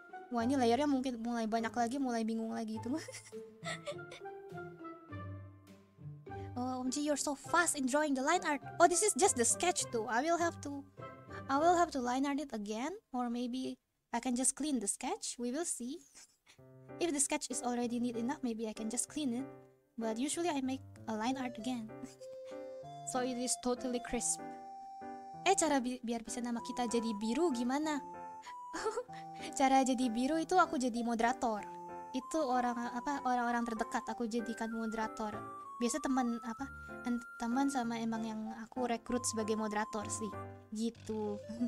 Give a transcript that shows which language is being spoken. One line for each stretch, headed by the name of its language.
Indonesian: Wah, ini layarnya mungkin mulai banyak lagi, mulai bingung lagi itu.
English: Oh, Omji, you're so fast in drawing the line art. Oh, this is just the sketch too. I will have to line art it again, or maybe I can just clean the sketch. We will see. If the sketch is already neat enough, maybe I can just clean it. But usually I make a line art again. So it is totally crisp.
Indonesian: Cara biar bisa nama kita jadi biru gimana? Cara jadi biru itu aku jadi moderator. Itu orang-orang terdekat aku jadikan moderator. Biasa teman sama emang yang aku rekrut sebagai moderator sih gitu.